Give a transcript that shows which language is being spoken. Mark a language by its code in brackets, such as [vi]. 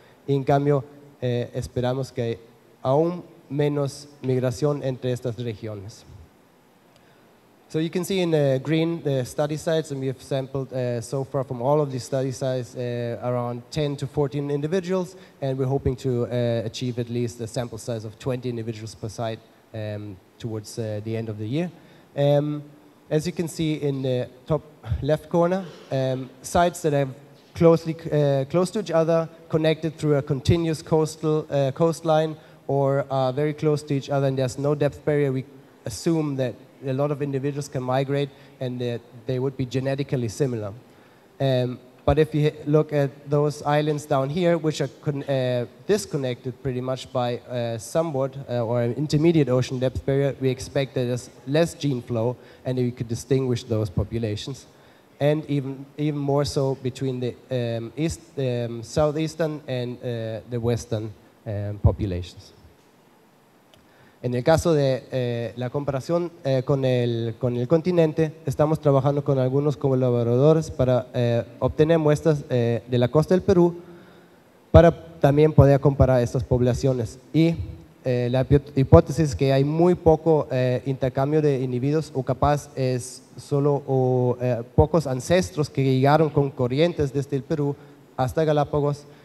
[es] Y en cambio, esperamos que hay aún menos migración entre estas regiones. [en] So you can see in the green the study sites, and we have sampled so far from all of these study sites around 10 to 14 individuals, and we're hoping to achieve at least a sample size of 20 individuals per site towards the end of the year. As you can see in the top left corner, sites that are closely close to each other, connected through a continuous coastal coastline, or are very close to each other, and there's no depth barrier, we assume that a lot of individuals can migrate and they would be genetically similar. But if you look at those islands down here, which are disconnected pretty much by somewhat or an intermediate ocean depth barrier, we expect that there's less gene flow and we could distinguish those populations. And even more so between the southeastern and the western populations. [es] En el caso de la comparación con el continente, estamos trabajando con algunos colaboradores para obtener muestras de la costa del Perú para también poder comparar estas poblaciones. Y la hipótesis es que hay muy poco intercambio de individuos o capaz es solo pocos ancestros que llegaron con corrientes desde el Perú hasta Galápagos.